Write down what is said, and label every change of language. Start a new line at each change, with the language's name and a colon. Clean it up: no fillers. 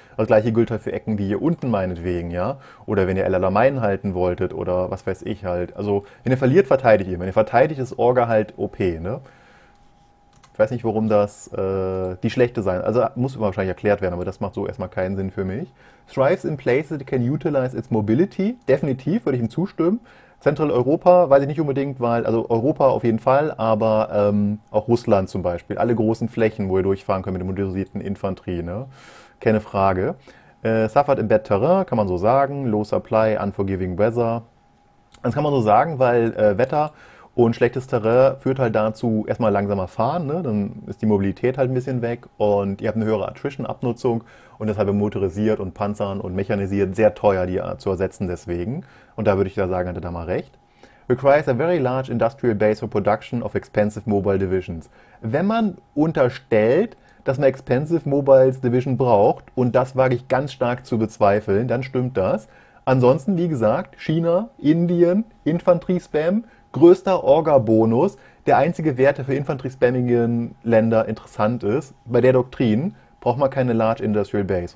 German: Das gleiche gilt halt für Ecken wie hier unten meinetwegen, ja. Oder wenn ihr El Alamein halten wolltet oder was weiß ich halt. Also wenn er verliert, verteidigt ihr. Wenn er verteidigt, ist Orga halt OP, ne? Ich weiß nicht, warum das die schlechte sein. Also muss immer wahrscheinlich erklärt werden, aber das macht so erstmal keinen Sinn für mich.
English: Thrives in places it can utilize its mobility.
German: Definitiv würde ich ihm zustimmen. Zentraleuropa weiß ich nicht unbedingt, weil, also Europa auf jeden Fall, aber auch Russland zum Beispiel. Alle großen Flächen, wo ihr durchfahren könnt mit der motorisierten Infanterie, ne? Keine Frage.
English: Suffered in bad terrain,
German: kann man so sagen.
English: Low supply, unforgiving weather.
German: Das kann man so sagen, weil Wetter und schlechtes Terrain führt halt dazu, erstmal langsamer fahren, ne? Dann ist die Mobilität halt ein bisschen weg und ihr habt eine höhere Attrition-Abnutzung und deshalb motorisiert und panzern und mechanisiert sehr teuer, die zu ersetzen deswegen. Und da würde ich da sagen, hat er da mal recht.
English: Requires a very large industrial base for production of expensive mobile divisions.
German: Wenn man unterstellt, dass man
English: expensive mobile division
German: braucht, und das wage ich ganz stark zu bezweifeln, dann stimmt das. Ansonsten, wie gesagt, China, Indien, Infanterie-Spam. Größter Orga-Bonus, der einzige Wert, der für infanterie-spammigen Länder interessant ist, bei der Doktrin braucht man keine Large Industrial Base.